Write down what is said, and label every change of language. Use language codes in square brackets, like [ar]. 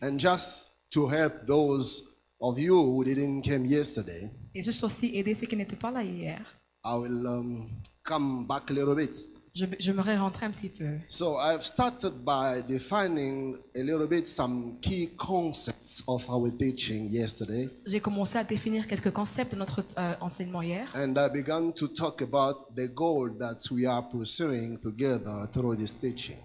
[en] and just to help those of you who didn't come yesterday, [fr] et juste aussi aider ceux qui n'étaient pas là hier, [en] I will come back a little bit. [fr] Je me rentrer un petit peu. [en] So I've started by defining a little bit some key concepts of our teaching yesterday. [fr] J'ai commencé à définir quelques concepts de notre enseignement hier. [en] And I began to talk about the goal that we are pursuing together through this teaching.